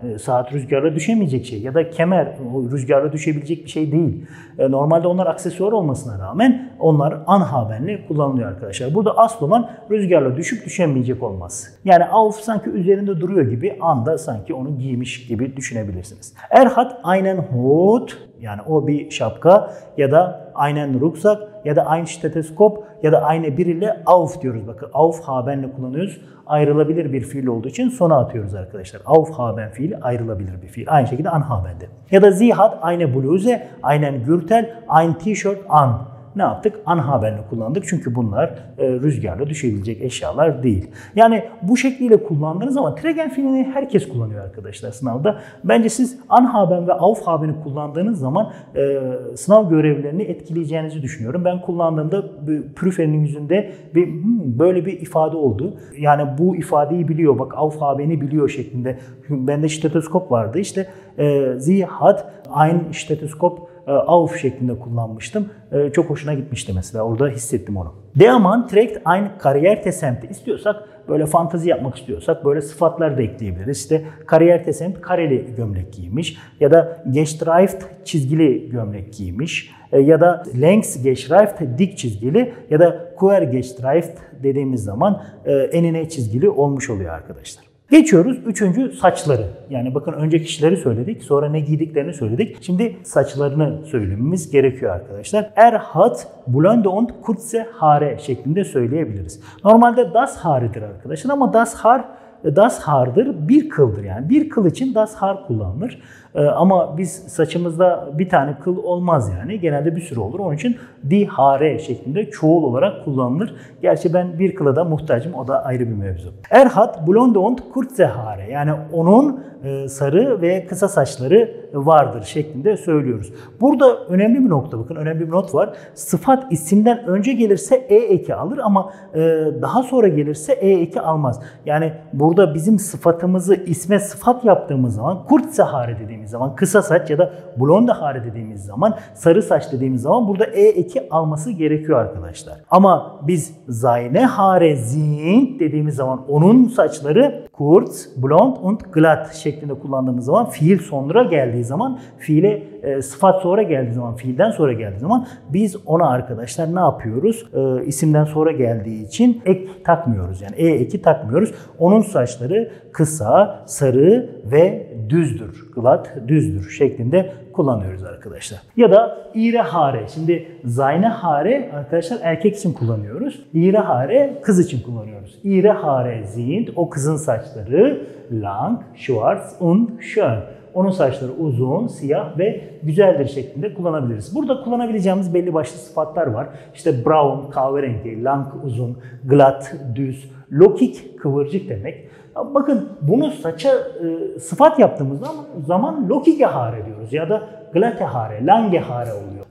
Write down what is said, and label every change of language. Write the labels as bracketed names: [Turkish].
[Turkish] Saat rüzgarla düşemeyecek şey ya da kemer rüzgarla düşebilecek bir şey değil. Normalde onlar aksesuar olmasına rağmen onlar anhabenle kullanılıyor arkadaşlar. Burada asıl olan rüzgarla düşüp düşemeyecek olması. Yani auf sanki üzerinde duruyor gibi, an da sanki onu giymiş gibi düşünebilirsiniz. [German] Er hat einen Hut, [Turkish] yani o bir şapka, ya da [German] einen Rucksack, [Turkish] ya da aynı stetoskop ya da aynı biriyle auf diyoruz. Bakın auf habenle kullanıyoruz. Ayrılabilir bir fiil olduğu için sona atıyoruz arkadaşlar. Auf haben fiili ayrılabilir bir fiil. Aynı şekilde an habende. Ya da [German] sie hat eine bluse, einen gürtel, ein t-shirt an. [Turkish] Ne yaptık? An habenle kullandık. Çünkü bunlar rüzgarda düşebilecek eşyalar değil. Yani bu şekliyle kullandığınız zaman tregen fiilini herkes kullanıyor arkadaşlar sınavda. Bence siz an haben ve auf habeni kullandığınız zaman sınav görevlerini etkileyeceğinizi düşünüyorum. Ben kullandığımda prüferinin yüzünde böyle bir ifade oldu. Yani bu ifadeyi biliyor, bak auf habeni biliyor şeklinde. Bende stetoskop vardı. İşte [German] sie hat ein stetoskop auf [Turkish] şeklinde kullanmıştım. Çok hoşuna gitmişti mesela. Orada hissettim onu. [German] Der Mann trägt ein Karrieretesemt. [Turkish] İstiyorsak böyle fantazi yapmak istiyorsak böyle sıfatlar da ekleyebiliriz. İşte Karrieretesemt kareli gömlek giymiş ya da gestreift çizgili gömlek giymiş ya da [German] längs gestreift [Turkish] dik çizgili ya da [German] quer gestreift [Turkish] dediğimiz zaman enine çizgili olmuş oluyor arkadaşlar. Geçiyoruz üçüncü saçları. Yani bakın önce kişileri söyledik, sonra ne giydiklerini söyledik. Şimdi saçlarını söylememiz gerekiyor arkadaşlar. [German] Er hat blonde und kurze Haare [Turkish] şeklinde söyleyebiliriz. Normalde das Haare'dir arkadaşlar ama das Haar'dır, bir kıldır yani. Bir kıl için das Haar kullanılır. Ama biz saçımızda bir tane kıl olmaz yani. Genelde bir sürü olur. Onun için die Haare şeklinde çoğul olarak kullanılır. Gerçi ben bir kıla da muhtacım. O da ayrı bir mevzu. [German] Er hat blonde und kurze Haare. [Turkish] Yani onun sarı ve kısa saçları vardır şeklinde söylüyoruz. Burada önemli bir nokta, bakın önemli bir not var. Sıfat isimden önce gelirse e eki alır ama daha sonra gelirse e eki almaz. Yani burada bizim sıfatımızı isme sıfat yaptığımız zaman [German] kurze Haare [Turkish] dediğimiz zaman kısa saç ya da [German] blonde Haare [Turkish] dediğimiz zaman sarı saç dediğimiz zaman burada e eki alması gerekiyor arkadaşlar. Ama biz [German] seine Haare sind [Turkish] dediğimiz zaman onun saçları [German] kurz, blond und glatt [Turkish] şeklinde kullandığımız zaman fiil sonra geldiği zaman fiile sıfat sonra geldiği zaman fiilden sonra geldiği zaman biz ona arkadaşlar ne yapıyoruz? İsimden sonra geldiği için ek takmıyoruz. Yani eki takmıyoruz. Onun saçları kısa, sarı ve düzdür. Glatt, düzdür şeklinde kullanıyoruz arkadaşlar. Ya da [German] ihre Haare. [Turkish] Şimdi [German] seine Haare [Turkish] arkadaşlar erkek için kullanıyoruz. [German] Ihre Haare [Turkish] kız için kullanıyoruz. [German] Ihre Haare sind [Turkish] o kızın saçları [German] lang, schwarz und schön. [Turkish] Onun saçları uzun, siyah ve güzeldir şeklinde kullanabiliriz. Burada kullanabileceğimiz belli başlı sıfatlar var. İşte brown kahverengi, lang uzun, glatt düz, lockig kıvırcık demek. Bakın bunu saça sıfat yaptığımız zaman [German] lockige Haare [Turkish] diyoruz ya da [German] glatte Haare, lange Haare [Turkish] oluyor.